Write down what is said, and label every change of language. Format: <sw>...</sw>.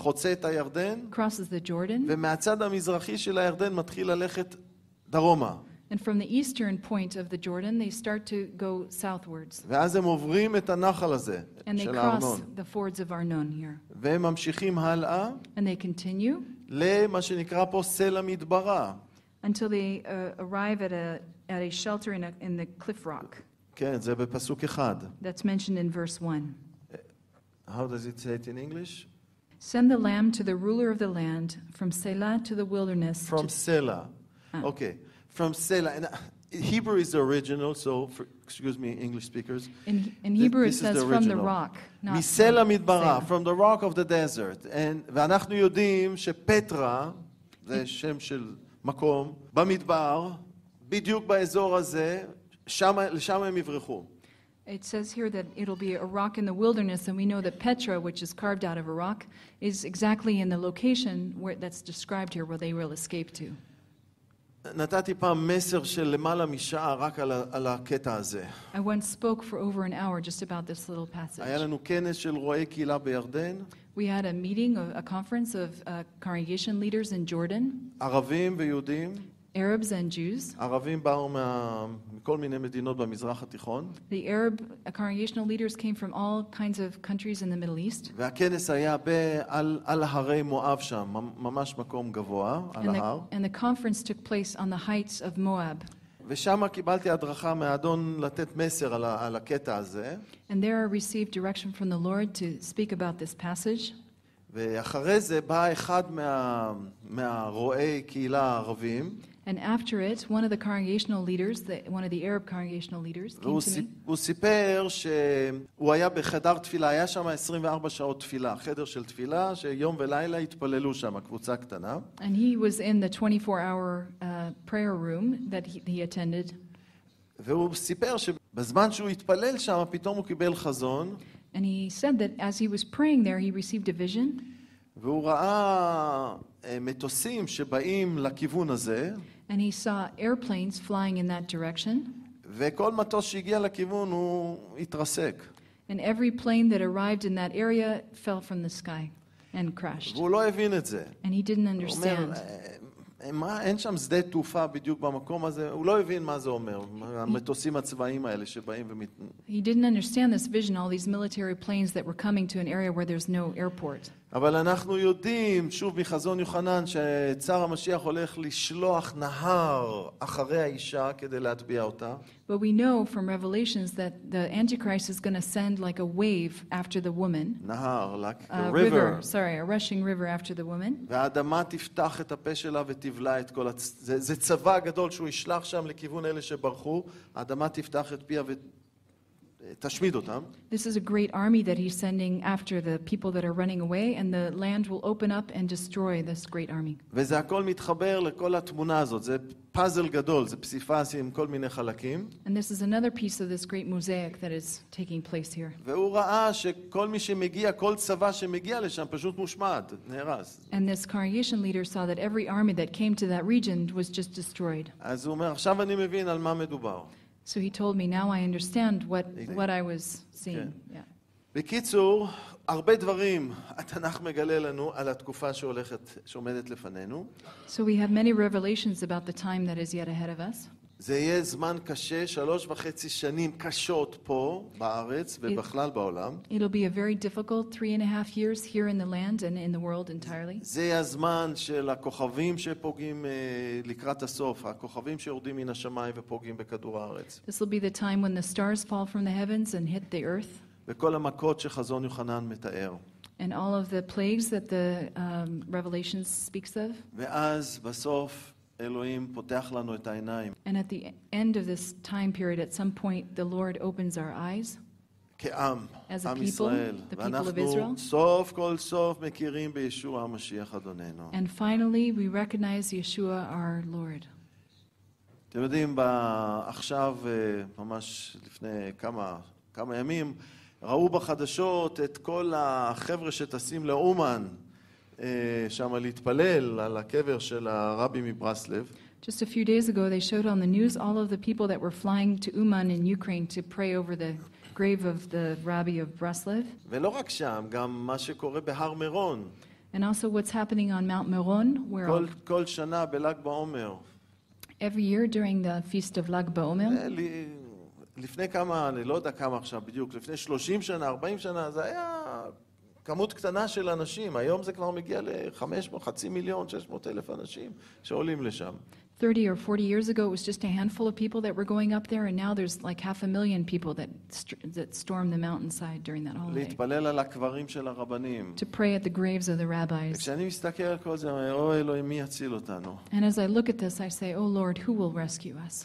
<he>חוצה את הירדן.</he> <en>Crosses the Jordan.</en> <he>ומהצד המזרחי של הירדן מתחיל ללכת דרומה.</he> <en>And from the eastern point of the Jordan, they start to go southwards.</en> <he>ואז הם עוברים את הנחל הזה</he> <en>And</en> <he>של</he> <en>they cross</en> <he>ארנון.</he> <en>The fords of Arnon here.</en> <he>והם ממשיכים הלאה.</he> <en>And they continue.</en> <he>למה שנקרא פה סלע מדברה.</he> <en>Until they arrive at a shelter in the cliff rock.</en> <he>כן, זה בפסוק אחד.</he> <en>That's mentioned in verse 1. How does it say it in English? Send the lamb to the ruler of the land from Selah to the wilderness. From Selah. Okay. From Selah. And Hebrew is the original, so for, excuse me, English speakers. In Hebrew it says from the rock, not</en> <he>Miselah midbara,</he> <en>from the rock of the desert. And</en> <he>ואנחנו יודעים שפטרה זה שם של מקום במדבר בדיוק באזור הזה שם הם יברחו.</he> <en>It says here that it'll be a rock in the wilderness and we know that Petra which is carved out of a rock is exactly in the location where that's described here where they will escape to.</en> <he>נתתי פעם מסר של למעלה משעה רק על הקטע הזה.</he> <en>I once spoke for over an hour just about this little passage.</en> <he>היה לנו כנס של רועי קהילה בירדן.</he> <en>We had a meeting, a conference of congregation leaders in Jordan.</en> <he>ערבים ויהודים.</he> <en>Arabs and Jews.</en> <he>ערבים באו מכל מיני מדינות במזרח התיכון.</he> <en>The Arab congregational leaders came from all kinds of countries in the Middle East.</en> <he>והכנס היה על הרי מואב שם, ממש מקום גבוה, על ההר.</he> <en>And the conference took place on the heights of Moab.</en> <he>ושמה קיבלתי הדרכה מהאדון לתת מסר על הקטע הזה.</he> <en>And there I received direction from the Lord to speak about this passage.</en> <he>ואחרי זה בא אחד מהרועי קהילה הערבים.</he> <en>And after it, one of the congregational leaders, one of the Arab congregational leaders came to me.</en> <he>הוא סיפר שהוא היה בחדר תפילה, היה שם 24 שעות תפילה, חדר של תפילה, שיום ולילה התפללו שם, קבוצה קטנה.</he> <en>And he was in the 24-hour prayer room that he attended.</en> <he>והוא סיפר שבזמן שהוא התפלל שם, פתאום הוא קיבל חזון.</he> <en>And he said that as he was praying there, he received a vision.</en> <he>והוא ראה מטוסים שבאים לכיוון הזה.</he> <en>And he saw airplanes flying in that direction.</en> <he>וכל מטוס שהגיע לכיוון הוא התרסק.</he> <en>And every plane that arrived in that area fell from the sky and crashed.</en> <he>והוא לא הבין את זה.</he> <en>And he didn't understand.</en> <he>מה, אין שם שדה תעופה בדיוק במקום הזה, הוא לא הבין מה זה אומר, המטוסים הצבאיים האלה שבאים ומת...</he> <en>He didn't understand this vision, all these military planes that were coming to an area where there's no airport.</en> <he>אבל אנחנו יודעים, שוב מחזון יוחנן, שצר המשיח הולך לשלוח נהר אחרי האישה כדי להטביע אותה.</he> <en>But we know from revelations that the Antichrist is going to send like a wave after the woman.</en> <he>נהר,</he> <en>like a river. River. Sorry, a rushing river after the woman.</en> <he>והאדמה תפתח את הפה שלה ותבלע את כל הצ... זה צבא גדול שהוא ישלח שם לכיוון אלה שברחו. האדמה תפתח את פיה ו... תשמיד אותם.</he> <en>This is a great army that he's sending after the people that are running away, and the land will open up and destroy this great army.</en> <he>וזה הכל מתחבר לכל התמונה הזאת. זה פאזל גדול, זה פסיפס עם כל מיני חלקים.</he> <en>And this is another piece of this great mosaic that is taking place here.</en> <he>והוא ראה שכל מי שמגיע, כל צבא שמגיע לשם, פשוט מושמד, נהרס.</he> <en>And this congregation leader saw that every army that came to that region was just destroyed.</en> <he>אז הוא אומר, עכשיו אני מבין על מה מדובר.</he> <en>So he told me, now I understand what I was seeing.</en> <he>בקיצור, הרבה דברים התנ"ך מגלה לנו על התקופה שהולכת, שעומדת לפנינו.</he> <en>So we have many revelations about the time that is yet ahead of us.</en> <he>זה יהיה זמן קשה, 3.5 שנים קשות פה בארץ ובכלל בעולם.</he> <en>It'll be a very difficult 3.5 years here in the land and in the world entirely.</en> <he>זה הזמן של הכוכבים שפוגעים לקראת הסוף, הכוכבים שיורדים מן השמיים ופוגעים בכדור הארץ.</he> <en>This'll be the time when the stars fall from the heavens and hit the earth.</en> <he>וכל המכות שחזון יוחנן מתאר.</he> <en>And all of the plagues that the Revelation speaks of.</en> <he>ואז בסוף אלוהים פותח לנו את העיניים.</he> <en>And at the end of this time period, at some point, the Lord opens our eyes.</en> <he>כעם,</he> <en>as a</en> <he>עם</he> <en>people,</en> <he>ישראל.</he> <en>The people of Israel.</en> <he>ואנחנו סוף כל סוף מכירים בישוע המשיח אדוננו.</he> <en>And finally, we recognize Yeshua, our Lord.</en> <he>אתם יודעים, עכשיו, ממש לפני כמה ימים, ראו בחדשות את כל החבר'ה שטסים לאומן, שם להתפלל על הקבר של הרבי מברסלב.</he> <en>Just a few days ago they showed on the news all of the people that were flying to Uman in Ukraine to pray over the grave of the Rabbi of Breslev.</en> <he>ולא רק שם, גם מה שקורה בהר מירון.</he> <en>And also what's happening on Mount Meron where</en> <he>כל שנה בל"ג בעומר.</he> <en>Every year during the feast of Lag BaOmer.</en> <he>לפני כמה, אני לא יודע כמה עכשיו בדיוק, לפני 30 שנה, 40 שנה, זה היה כמות קטנה של אנשים. היום זה כבר מגיע ל-500,000, 600,000 אנשים שעולים לשם.</he> <en>30 or 40 years ago it was just a handful of people that were going up there, and now there's like 500,000 people that storm the mountainside during that holiday.</en> <he>להתפלל על הקברים של הרבנים.</he> <en>To pray at the graves of the rabbis.</en> <he>וכשאני מסתכל על כל זה, אני אומר, אלוהים, מי יציל אותנו?</he> <en>And as I look at this I say, oh Lord, who will rescue us?</en>